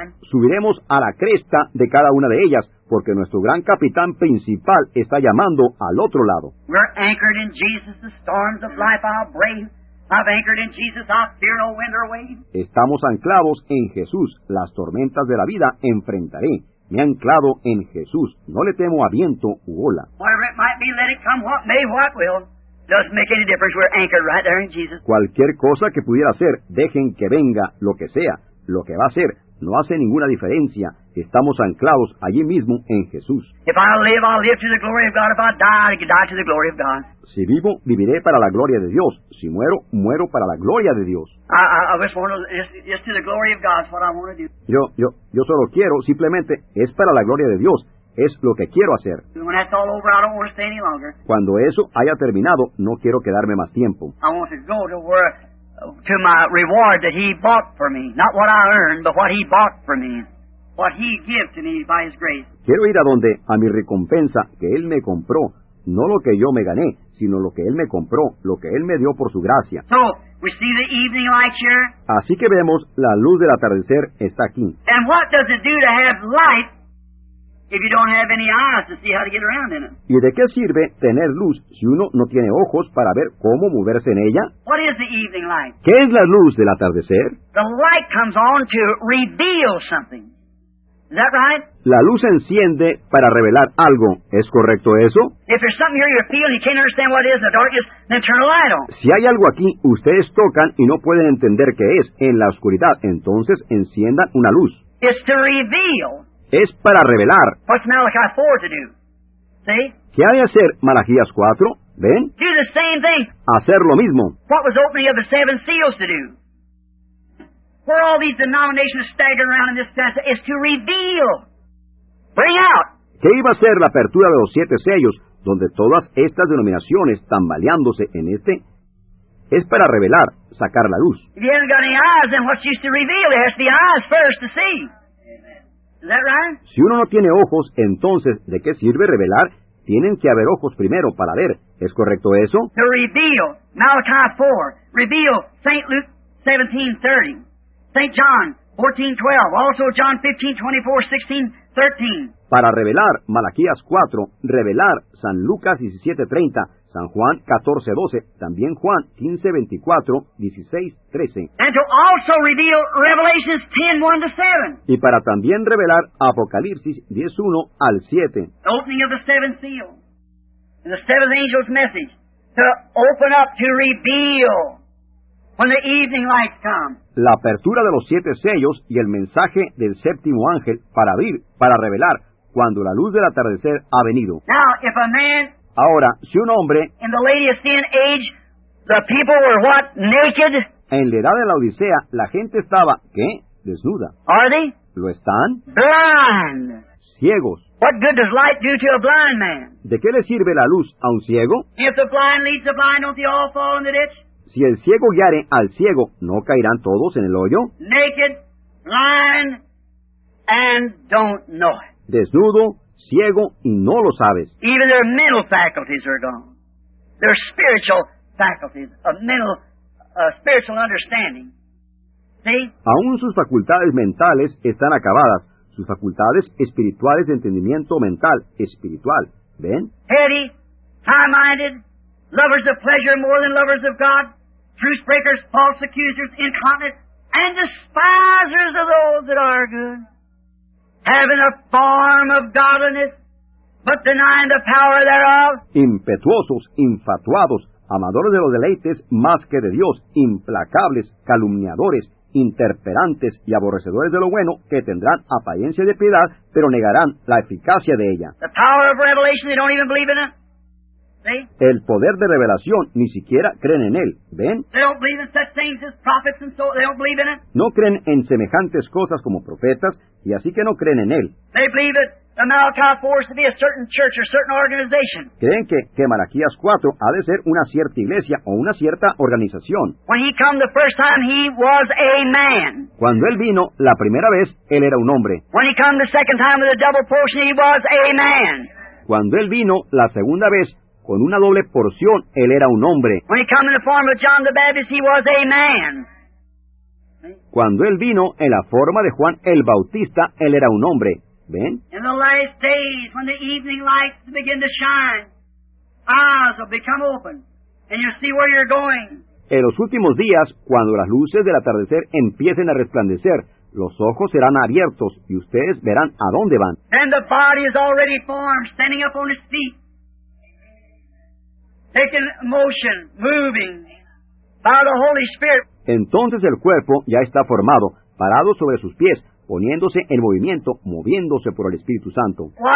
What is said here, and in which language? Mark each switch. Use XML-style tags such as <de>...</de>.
<es>Subiremos a la cresta de cada una de ellas, porque nuestro gran capitán principal está llamando al otro lado.</es> <en>We're anchored in Jesus, the storms of life I'll brave. I've anchored in Jesus, I fear no wind or wave.</en> <es>Estamos anclados en Jesús. Las tormentas de la vida enfrentaré. Me he anclado en Jesús. No le temo a viento u ola.</es> <en>Whatever it might be, let it come what may, what will. Doesn't make any difference. We're anchored right there in Jesus.</en> <es>Cualquier cosa que pudiera ser, dejen que venga lo que sea. Lo que va a ser no hace ninguna diferencia. Estamos anclados allí mismo en Jesús.</es> <en>If I live, I'll live to the glory of God. If I die, I can die to the glory of God.</en> <es>Si vivo, viviré para la gloria de Dios. Si muero, muero para la gloria de Dios.</es> <en>I just want to the glory of God is what I want to do.</en> <es>Yo solo quiero, simplemente, es para la gloria de Dios. Es lo que quiero hacer.</es> <en>When that's all over, I don't want to stay any longer.</en> <es>Cuando eso haya terminado, no quiero quedarme más tiempo.</es> <en>I want to go to work. To my reward that he bought for me. Not what I earned, but what he bought for me. What he gave to me by his grace.</en> <es>Quiero ir a donde, a mi recompensa que él me compró. No lo que yo me gané, sino lo que él me compró, lo que él me dio por su gracia.</es> <en>So, we see the evening light here.</en> <es>Así que vemos, la luz del atardecer está aquí.</es> <en>And what does it do to have light if you don't have any eyes to see how to get around in it?</en> <es>¿Y de qué sirve tener luz si uno no tiene ojos para ver cómo moverse en ella?</es> <en>What is the evening light?</en> <es>¿Qué es la luz del atardecer?</es> <en>The light comes on to reveal something. Is that right?</en> <es>La luz enciende para revelar algo. ¿Es correcto eso?</es> <en>If there's something here you feel and you can't understand what it is in the darkness, then turn the light on.</en> <es>Si hay algo aquí, ustedes tocan y no pueden entender qué es en la oscuridad, entonces enciendan una luz.</es> <en>It's to reveal.</en> <es>Es para revelar.</es> <en>What's Malachi 4 to do? See?</en> <es>¿Qué ha de hacer Malaquías 4? ¿Ven?</es> <en>Do the same thing.</en> <es>Hacer lo mismo.</es> <en>What was opening of the seven seals to do? Where all these denominations staggering around in this sense is to reveal. Bring out.</en> <es>¿Qué iba a ser la apertura de los siete sellos donde todas estas denominaciones tambaleándose en este? Es para revelar, sacar la luz.</es> <en>If you haven't got any eyes, then what's used to reveal? It has to be eyes first to see. Is that right?</en> <es>Si uno no tiene ojos, entonces, ¿de qué sirve revelar? Tienen que haber ojos primero para ver. ¿Es correcto eso?</es> <en>To reveal, Malachi 4, reveal, St. Luke 17:30, St. John 14:12, also John 15:24, 16:13.</en> <es>Para revelar, Malaquías 4, revelar, San Lucas 17:30, San Juan 14:12, también Juan 15:24, 16:13.</es> <en>And to also reveal Revelations 10:1-7.</en> <es>Y para también revelar Apocalipsis 10:1-7.</es> <en>The opening of the seventh seal. And the seventh angel's message. To open up, to reveal. When the evening light comes.</en> <es>La apertura de los siete sellos y el mensaje del séptimo ángel para abrir, para revelar, cuando la luz del atardecer ha venido.</es> <en>Now, if a man...</en> <es>Ahora, si un hombre</es> <en>in the lady of sin age, the people were what? Naked?</en> <es>En la edad de la Odisea, la gente estaba, ¿qué? Desnuda.</es> <en>Are they?</en> <es>¿Lo están?</es> <en>Blind.</en> <es>Ciegos.</es> <en>What good does light do to a blind man?</en> <es>¿De qué le sirve la luz a un ciego?</es> <en>If the blind leads the blind, don't they all fall in the ditch?</en> <es>Si el ciego guiare al ciego, ¿no caerán todos en el hoyo?</es> <en>Naked, blind, and don't know it.</en> <es>desnudo, ciego, y no lo sabes.</es> <en>Even their mental faculties are gone. Their spiritual faculties, a mental, spiritual understanding. See?</en> <es>Aún sus facultades mentales están acabadas. Sus facultades espirituales de entendimiento mental, espiritual. ¿Ven?</es> <en>Petty, high-minded, lovers of pleasure more than lovers of God, truth-breakers, false accusers, incontinent, and despisers of those that are good, having a form of godliness, but denying the power thereof.</en> <es>Impetuosos, infatuados, amadores de los deleites más que de Dios, implacables, calumniadores, interperantes y aborrecedores de lo bueno, que tendrán apariencia de piedad, pero negarán la eficacia de ella.</es> <en>The power of revelation, they don't even believe in it. See?</en> <es>El poder de revelación, ni siquiera creen en él. ¿Ven?</es> <en>They don't believe in such things as prophets and so they don't believe in it.</en> <es>No creen en semejantes cosas como profetas, y así que no creen en él.</es> <en>They believe it. The Malachi 4 is to be a certain church or certain organization.</en> <es>¿Creen que Malaquías 4 ha de ser una cierta iglesia o una cierta organización?</es> <en>When he came the first time, he was a man.</en> <es>Cuando él vino la primera vez, él era un hombre.</es> <en>When he came the second time with a double portion, he was a man.</en> <es>Cuando él vino la segunda vez con una doble porción, él era un hombre.</es> <en>When he came in the form of John the Baptist, he was a man.</en> <es>Cuando él vino en la forma de Juan el Bautista, él era un hombre. ¿Ven?</es> <en>In the last days, when the evening lights begin to shine, eyes will become open, and you'll see where you're going.</en> <es>En los últimos días, cuando las luces del atardecer empiecen a resplandecer, los ojos serán abiertos, y ustedes verán a dónde van.</es> <en>And the body is already formed, standing up on its feet, taking motion, moving, by the Holy Spirit.</en> <es>Entonces el cuerpo ya está formado, parado sobre sus pies, poniéndose en movimiento, moviéndose por el Espíritu Santo.</es>